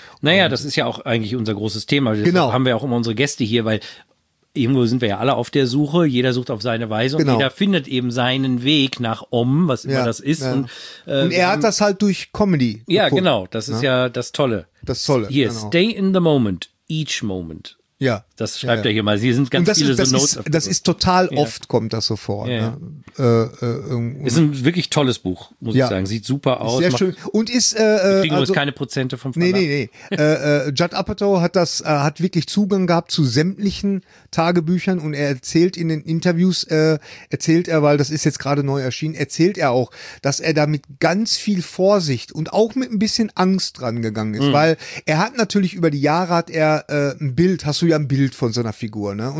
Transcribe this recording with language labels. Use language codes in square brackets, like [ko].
[de] Naja, und das ist ja auch eigentlich unser großes Thema. Deshalb genau. Haben wir auch immer unsere Gäste hier, weil irgendwo sind wir ja alle auf der Suche, jeder sucht auf seine Weise und genau, jeder findet eben seinen Weg nach Om, was immer das ist. Ja. Und er hat das halt durch Comedy gefunden. Ja, genau, das ist ja das Tolle. Das Tolle. Hier, genau. [en] Stay in the moment, each moment. [de] Ja. Das schreibt er hier mal. Sie sind ganz viele so Notes. Das ist total oft, kommt das so vor. Ja. Ne? Ist ein wirklich tolles Buch, muss ich sagen. Sieht super aus. Sehr schön. Und ist, kriegen also, keine Prozente vom Verlag. Nee. Judd Apatow hat wirklich Zugang gehabt zu sämtlichen Tagebüchern und er erzählt in den Interviews, weil das ist jetzt gerade neu erschienen, erzählt er auch, dass er da mit ganz viel Vorsicht und auch mit ein bisschen Angst dran gegangen ist, weil er hat natürlich über die Jahre hast du ja ein Bild von so einer Figur, ne?